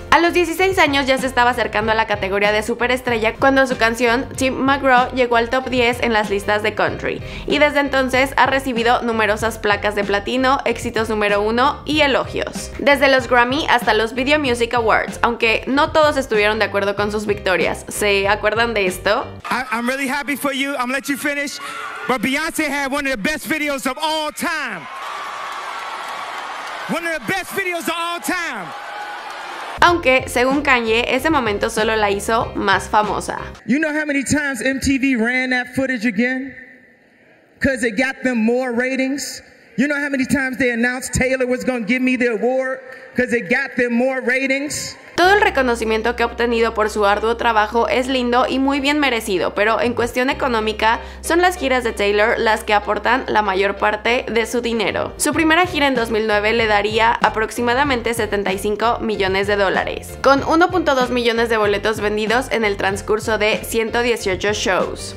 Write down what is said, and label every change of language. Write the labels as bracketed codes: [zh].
[es] A los 16 años ya se estaba acercando a la categoría de superestrella cuando su canción Tim McGraw llegó al top 10 en las listas de country, y desde entonces ha recibido numerosas placas de platino, éxitos número 1 y elogios. Desde los Grammy hasta los Video Music Awards, aunque no todos estuvieron de acuerdo con sus victorias, ¿se acuerdan de esto? [en] I'm really happy for you, I'm gonna let you finish, but Beyoncé had one of the best videos of all time. One of the best videos of all time. [es] Aunque, según Kanye, ese momento solo la hizo más famosa. [en] You know how many times MTV ran that footage again? Because it got them more ratings. You know how many times they announced Taylor was going to give me the award? because it got them more ratings. [es] Todo el reconocimiento que ha obtenido por su arduo trabajo es lindo y muy bien merecido, pero en cuestión económica, son las giras de Taylor las que aportan la mayor parte de su dinero. Su primera gira en 2009 le daría aproximadamente 75 millones de dólares, con 1.2 millones de boletos vendidos en el transcurso de 118 shows.